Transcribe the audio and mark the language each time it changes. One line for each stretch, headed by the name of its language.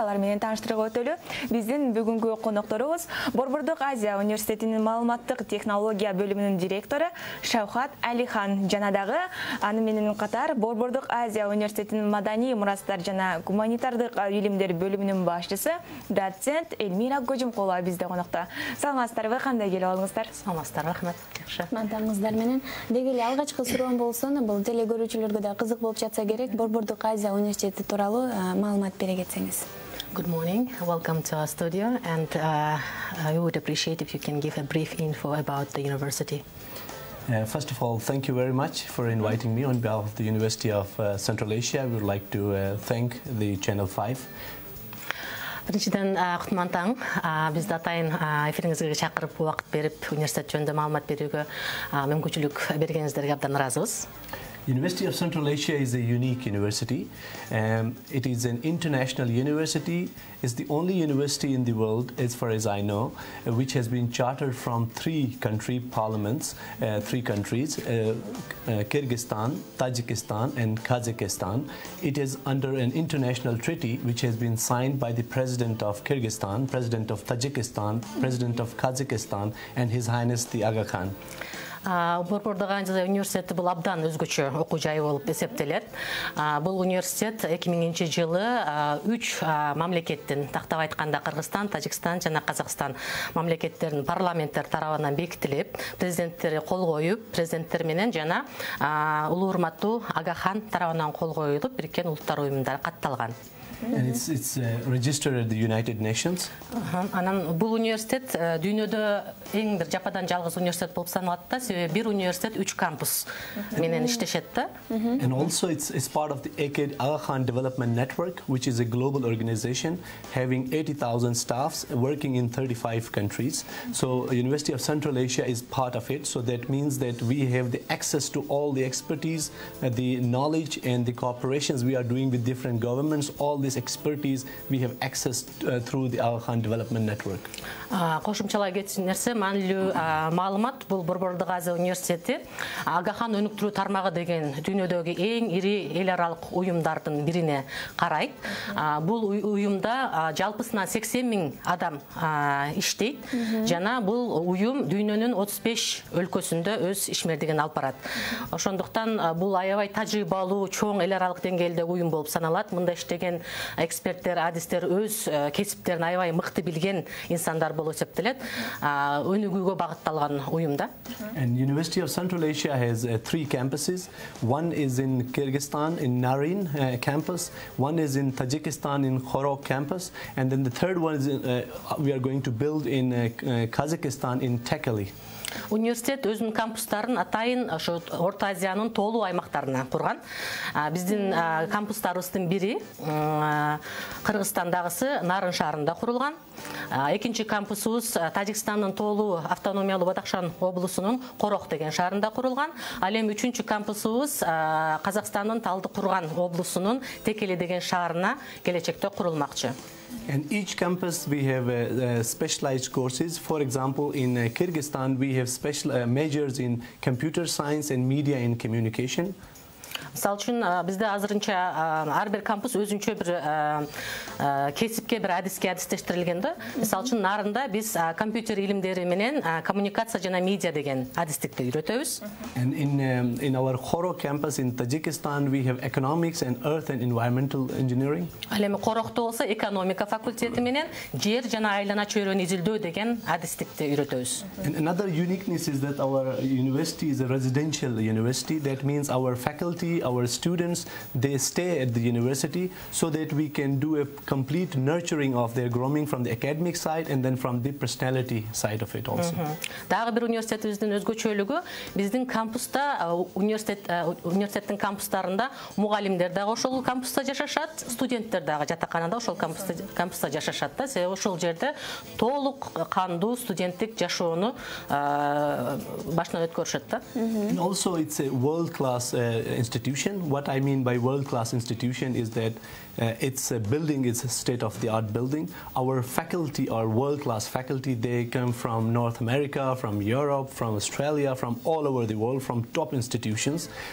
Kyrgyz: Алар менен тааныштырууга өтөлү. Биздин бүгүнкү конокторубуз Борбордук Азия университетинин маалыматтык технология бөлүмүнүн директору Шавхат Алихан жана дагы аны менен катар Борбордук Азия университетинин маданий мурастар жана гуманитардык илимдер бөлүмүнүн башчысы доцент Эльмира Көжүмкулова бизде конокто. Саламатсыздарбы, кандай келип алдыңыздар? Саламатсыздарбы, рахмат. Жакшы. Мандаңыздар менен. Деги эле алгачкы суроом болсун, бул теле көрүүчүлөргө да кызык болуп жатса керек. Борбордук Азия университети тууралуу маалымат бере кетсеңиз.
English: Good morning. Welcome to our studio and we would appreciate if you can give a brief info about the university. First of all, thank you very much for inviting me on behalf of the University of Central Asia. I would like to thank the Channel 5.
Kyrgyz: Биринчиден кутман таң. Бизди атайын эфириңизге чакырып, убакыт берип, университет жөнүндө маалымат берүүгө мүмкүнчүлүк бергениңиздерге абдан ыраазыбыз.
English: University of Central Asia is a unique university. It is an international university. It's the only university in the world, as far as I know, which has been chartered from three countries, Kyrgyzstan, Tajikistan, and Kazakhstan. It is under an international treaty, which has been signed by the President of Kyrgyzstan, President of Tajikistan, President of Kazakhstan, and His Highness the Aga Khan.
Kyrgyz: Борбордук Азия университети бул абдан өзгөчө окуу жайы болуп эсептелет. Бул университет 2000-чи жылы 3 мамлекеттин, тактап айтканда Кыргызстан, Тажикстан жана Казакстан мамлекеттеринин парламенттер тарабынан бекитилип, президенттери кол коюп, президенттер менен жана улуу урматтуу Ага Хан тарабынан кол коюлуп, Бириккен Улуттар Уюмунда катталган.
English: And it's registered at the United Nations.
Kyrgyz: Анан бул университет дүйнөдө эң бир жападан жалгыз университет болуп саналат да, себеби бир университет 3 кампус менен иштешет да.
English: And also it's part of the ECAD Aga Khan Development Network, which is a global organization having 80,000 staffs working in 35 countries. So University of Central Asia is part of it. So that means that we have the access to all the expertise, the knowledge and the cooperations we are doing with different governments. All this expertise we have accessed through the Aga Khan Development Network.
Kyrgyz: Кошумчалай кетсин нерсе, маанилүү маалымат бул Борбордук Азия университети Ага Хан өнүктүрүү тармагы деген дүйнөдөгү эң ири эл аралык уюмдардын бирине карайт. Бул уюмда жалпысынан 80 000 адам иштейт жана бул уюм дүйнөнүн 35 өлкөсүндө өз ишмердигин алып барат. Ошондуктан бул аябай тажрыйбалуу чоң эл аралык деңгээлде уюм болуп саналат. Мында иштеген эксперттер, адистер өз кесиптерин аябай мыкты билген инсандар болуп эсептелет. Өнүгүүгө багытталган уюм да.
English: And University of Central Asia has three campuses. One is in Kyrgyzstan in Narin campus, one is in Tajikistan in Khorok campus, and then the third one is we are going to build in Kazakhstan in Tekeli.
Kyrgyz: Университет өзүнүн кампустарын атайын ошо Орто Азиянын тоолуу аймактарына курган. Биздин кампустарыбыздын бири Кыргызстандагысы Нарын шаарында курулган. Экинчи кампусубуз Тажикстандын тоолуу автономиялуу Бадахшан облусунун Корок деген шаарында курулган. Ал эми үчүнчү кампусубуз Казакстандын Талдыкурган облусунун Текели деген шаарына келечекте курулмакчы.
English: And each campus we have specialized courses. For example, in Kyrgyzstan we have special majors in computer science and media and communication.
Kyrgyz: Мисалы үчүн бизде азырынча ар бир кампус өзүнчө бир кесипке, бир адиске адистештирилген да. Мисалы үчүн Нарында биз компьютер илимдери менен коммуникация жана медиа деген адистикти үйрөтөбүз.
English: And in our Khorok campus in Tajikistan we have economics and earth and environmental engineering.
Kyrgyz: Ал эми Корокто болсо экономика факультети менен жер жана айлана чөйрөнү изилдөө деген адистикти үйрөтөбүз.
English: And another uniqueness is that our university is a residential university. That means our faculty, our students, they stay at the university so that we can do a complete nurturing of their growing from the academic side and then from the personality side of it also.
Kyrgyz: Дагы бир университетибиздин өзгөчөлүгү биздин кампуста университеттин кампустарында мугалимдер дагы ошол кампуста жашашат, студенттер дагы жатаканада ошол кампуста жашашат да. Себеби ошол жерде толук кандуу студенттик жашоону башынан өткөрүшөт да.
English: Also it's a world class institution. institution. What I mean by world-class institution is that it's a building, it's a state-of-the-art building. Our faculty are world-class faculty. They come from North America, from Europe, from Australia, from all over the world, from top institutions.